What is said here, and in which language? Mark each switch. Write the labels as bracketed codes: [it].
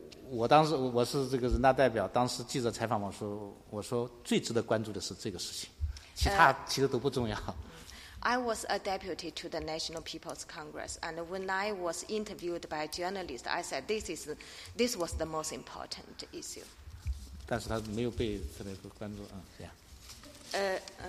[zh] 我当时我是这个人大代表，当时记者采访我说最值得关注的是这个事情，其他其实都不重要。 [en] I was a deputy to the National People's Congress, and when I was interviewed by journalists, I said this was the most important issue. [zh] 但是他没有被特别关注啊，对呀。